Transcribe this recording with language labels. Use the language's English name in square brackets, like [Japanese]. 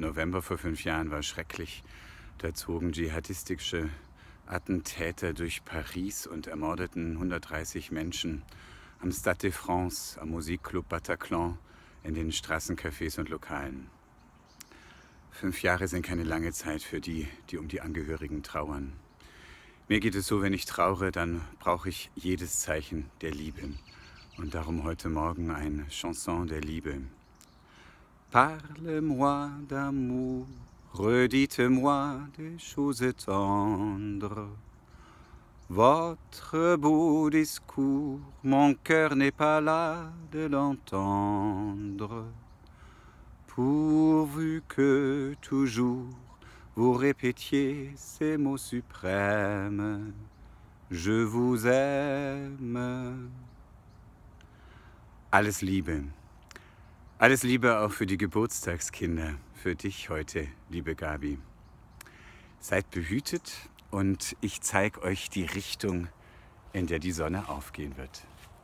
[German] November vor 5 Jahren war schrecklich. Da zogen dschihadistische Attentäter durch Paris und ermordeten 130 Menschen am Stade de France, am Musikclub Bataclan, in den Straßencafés und Lokalen. 5 Jahre sind keine lange Zeit für die, die um die Angehörigen trauern. Mir geht es so, wenn ich traure, dann brauche ich jedes Zeichen der Liebe. Und darum heute Morgen ein Chanson der Liebe. [French] Parle-moi d'amour, redite-moi des choses tendres. Votre beau discours, mon cœur n'est pas là de l'entendre. Pourvu que toujours vous répétiez ces mots suprêmes, je vous aime. [German] Alles Liebe. Alles Liebe auch für die Geburtstagskinder, für dich heute, liebe Gabi. Seid behütet und ich zeige euch die Richtung, in der die Sonne aufgehen wird.